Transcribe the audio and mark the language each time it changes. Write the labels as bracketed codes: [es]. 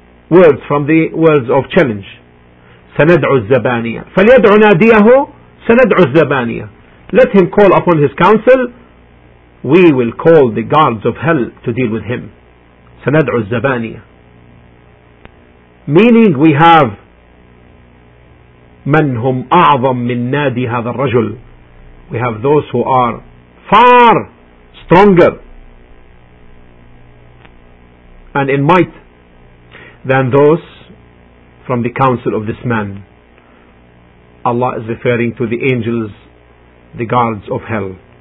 [en] Words from the words of challenge. [ar] سَنَدْعُ الزَّبَانِيَ فَلْيَدْعُ نَادِيَهُ سَنَدْعُ الزَّبَانِيَ. [en] Let him call upon his council, we will call the guards of hell to deal with him. [ar] سَنَدْعُ الزَّبَانِيَ. [en] Meaning we have [ar] مَنْ هُمْ أَعْظَمْ مِنْ نَادِي هَذَا الرَّجُلِ. [en] We have those who are far stronger and in might than those from the council of this man. Allah is referring to the angels, the guards of hell.